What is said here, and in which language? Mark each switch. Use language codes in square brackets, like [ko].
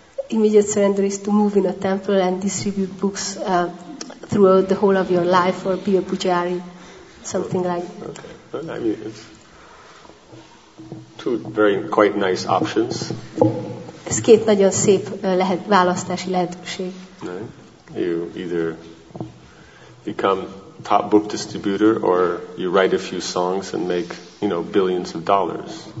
[en] Immediate surrender is to move in a temple and distribute books throughout the whole of your life, or be a pujari, something like that. Okay. I mean, it's two very quite nice options. [hu] Ez két nagyon szép választási lehetőség. [en] You either become top book distributor, or you write a few songs and make, you know, billions of dollars.